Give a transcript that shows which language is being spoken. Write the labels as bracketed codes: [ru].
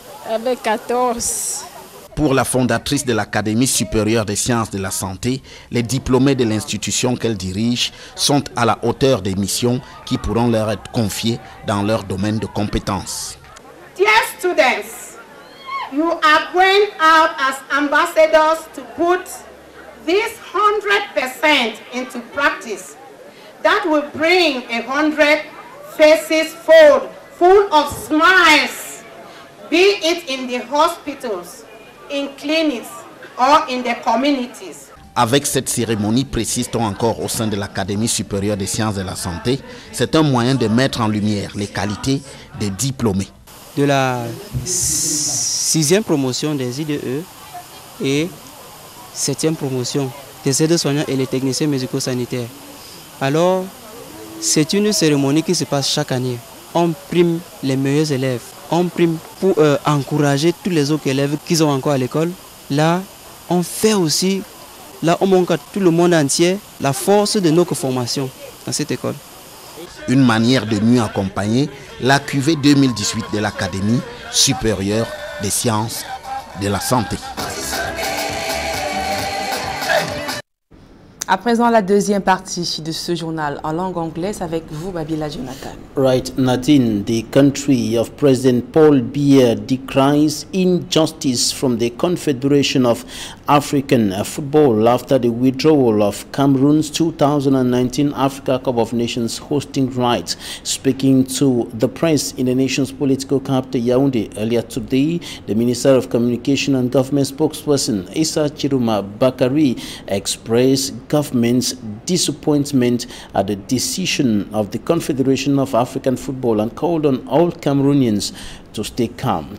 [fr] Avec 14. Pour la fondatrice de l'Académie supérieure des sciences de la santé, les diplômés de l'institution qu'elle dirige sont à la hauteur des missions qui pourront leur être confiées dans leur domaine de compétences. [en] Dear students, you are going out as ambassadors to put this 100% into practice. That will bring 100 faces fold, full of smiles, be it in the hospitals, in clinics or in the communities. [fr] Avec cette cérémonie, précise-t-on encore au sein de l'Académie supérieure des sciences de la santé, c'est un moyen de mettre en lumière les qualités des diplômés. De la 6e promotion des IDE et 7e promotion des aides-soignants et les techniciens médico-sanitaires. Alors, c'est une cérémonie qui se passe chaque année. On prime les meilleurs élèves on prime pour encourager tous les autres élèves qu'ils ont encore à l'école. Là, on fait aussi, là on montre à tout le monde entier la force de notre formation dans cette école. Une manière de mieux accompagner la QV 2018 de l'Académie supérieure des sciences de la santé. À présent, la deuxième partie de ce journal en langue anglaise avec vous, Babila Jonathan. [en] Right, Nadine, the country of President Paul Biya decries injustice from the Confederation of African Football after the withdrawal of Cameroon's 2019 Africa Cup of Nations hosting rights. Speaking to the press in the nation's political capital Yaoundé earlier today, the Minister of Communication and Government spokesperson Issa Chiruma Bakari expressed government's disappointment at the decision of the Confederation of African Football and called on all Cameroonians to stay calm.